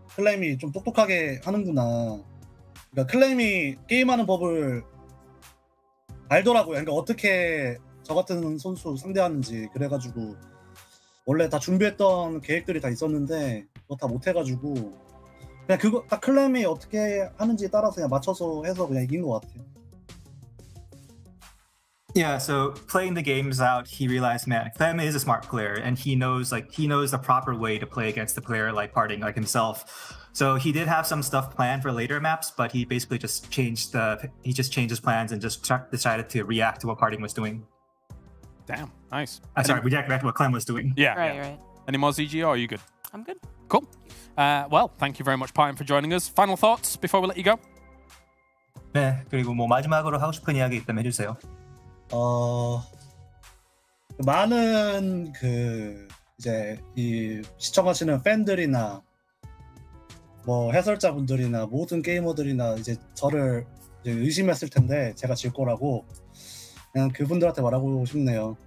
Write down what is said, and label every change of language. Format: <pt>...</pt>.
<ko>클레임이 좀 똑똑하게 하는구나. 그러니까 클레임이 게임하는 법을 알더라고요. 그러니까 어떻게 저 같은 선수 상대하는지. 그래가지고 원래 다 준비했던 계획들이 다 있었는데 그거 다 못해가지고 그냥 그거 딱 클레임이 어떻게 하는지 따라서 그냥 맞춰서 해서 그냥 이긴 것 같아요.</ko> <en>Yeah, so playing the games out, he realized, man, Clem is a smart player, and he knows the proper way to play against a player like Parting, like himself. So he did have some stuff planned for later maps, but he basically just changed his plans and just decided to react to what Parting was doing. Damn, nice. React to what Clem was doing. Yeah. Right. Any more ZG, or are you good? I'm good. Cool. Well, thank you very much, Parting, for joining us. Final thoughts before we let you go?</en> <ko>네, 그리고 뭐 마지막으로 하고 싶은 이야기 있다면 해주세요. 많은 그 이제 이 시청하시는 팬들이나 뭐 해설자분들이나 모든 게이머들이나 이제 저를 이제 의심했을 텐데 제가 질 거라고 그냥 그분들한테 말하고 싶네요.</ko>